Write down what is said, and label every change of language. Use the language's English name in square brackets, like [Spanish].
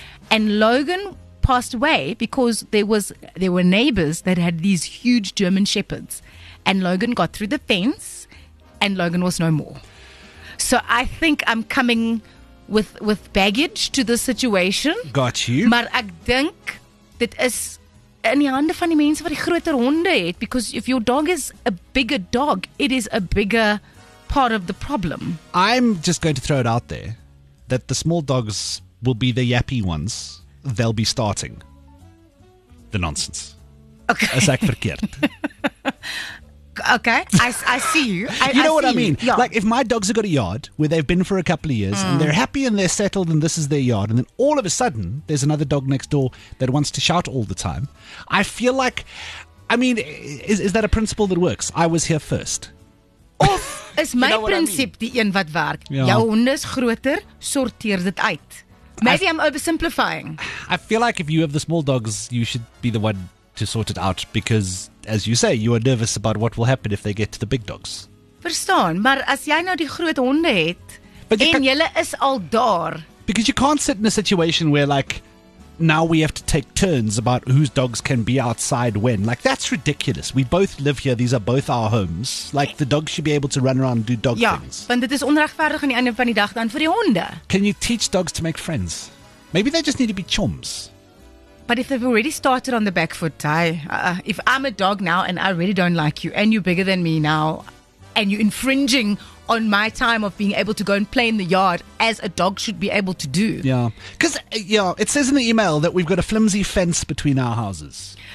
[English] And Logan passed away because there were neighbors that had these huge German shepherds. And Logan got through the fence and Logan was no more. So I think I'm coming with baggage to this situation. Got you. [Afrikaans] Maar ek dink dit is in die hande van die mense wat die groter honde het. [English] Because if your dog is a bigger dog, it is a bigger part of the problem. I'm just going to throw it out there that the small dogs will be the yappy ones. They'll be starting the nonsense. Okay. [Afrikaans] As ek verkeerd. [English] Okay, I see you. You know what I mean? Yeah. Like, if my dogs have got a yard where they've been for a couple of years and they're happy and they're settled and this is their yard, and then all of a sudden there's another dog next door that wants to shout all the time, I feel like, I mean, is that a principle that works? I was here first. [Afrikaans] Of is my [English] you know principle I mean? [Afrikaans] Die een wat werk? [English] Yeah. [Afrikaans] Jou hond is groter, sorteer dit uit. [English] Maybe I'm oversimplifying. I feel like if you have the small dogs, you should be the one to sort it out because, as you say, you are nervous about what will happen if they get to the big dogs. [Afrikaans] Verstaan, maar as jy nou die groot honde het, en julle is al daar. [English] Because you can't sit in a situation where, like, now we have to take turns about whose dogs can be outside when. Like, that's ridiculous. We both live here. These are both our homes. Like, the dogs should be able to run around and do dog things. [Afrikaans] Ja, want dit is onregverdig aan die einde van die dag dan vir die honde. [English] Can you teach dogs to make friends? Maybe they just need to be chums. But if they've already started on the back foot, Ty, if I'm a dog now and I really don't like you and you're bigger than me now and you're infringing on my time of being able to go and play in the yard as a dog should be able to do. Yeah, because it says in the email that we've got a flimsy fence between our houses.